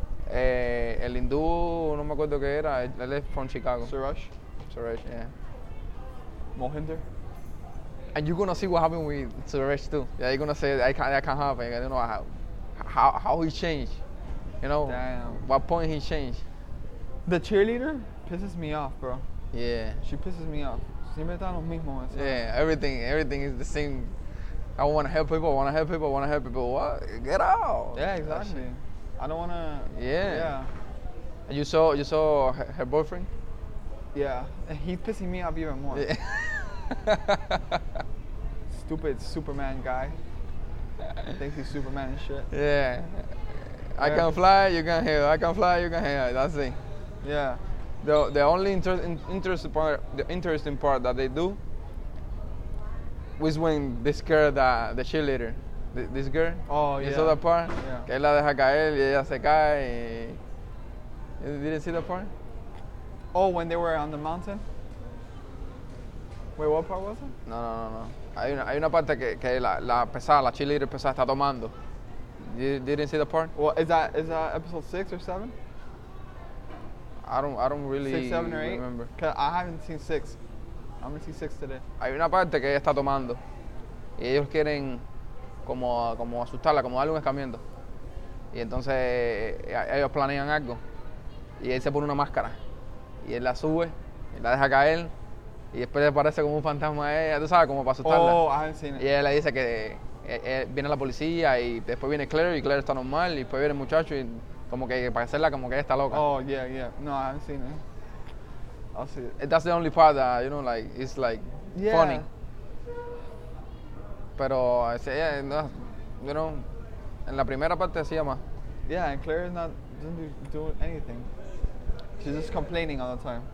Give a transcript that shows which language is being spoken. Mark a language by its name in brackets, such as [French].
[Spanish] El hindú, no me acuerdo qué era, él es [English] from [Spanish] Chicago. [English] Suresh, yeah. Mohinder. And you're gonna see what happened with Suresh too. Yeah, you're gonna say, I can't happen, I don't know how. How he changed, you know? Damn. What point he changed? The cheerleader pisses me off, bro. Yeah. She pisses me off. [Spanish] Siempre está lo mismo. [English] Yeah, everything is the same. I want to help people. What? Get out. Yeah, exactly. I don't want to. Yeah. Yeah. And you saw her boyfriend? Yeah. And he's pissing me off even more. Yeah. Stupid Superman guy. I think he's Superman and shit. Yeah. I can fly, you can heal. I can fly, you can heal. That's it. Yeah. The only interesting part that they do was when they scare the cheerleader. This girl. Oh, yeah. You saw that part? Yeah. [Spanish] Que él la deja caer y ella se cae. [English] You didn't see that part? Oh, when they were on the mountain? Wait, what part was it? No. [Spanish] Hay una parte que la pesada, la cheerleader pesada está tomando. [English] You didn't see the part? Well, is that episode 6 or 7? I don't really six, seven, or remember. Eight? I haven't seen 6. I'm going to see 6 today. [Spanish] Hay una parte que ella está tomando. Y ellos quieren como asustarla, como darle un escamiento. Y entonces ellos planean algo. Y él se pone una máscara. Y él la sube, y la deja caer. Y después le aparece como un fantasma a ella, tú sabes, como para asustarla. [English] Oh, I haven't seen it. [Spanish] Y ella le dice que viene la policía y después viene Claire y Claire está normal. Y después viene el muchacho y como que para hacerla como que ella está loca. [English] Oh, yeah. No, I haven't seen it. I'll see it. That's the only part that, you know, like, it's like yeah. Funny. [Spanish] Pero, [English] yeah, no, you know, [Spanish] en la primera parte hacía más. [English] Yeah, and Claire is not doesn't do anything. She's just complaining all the time.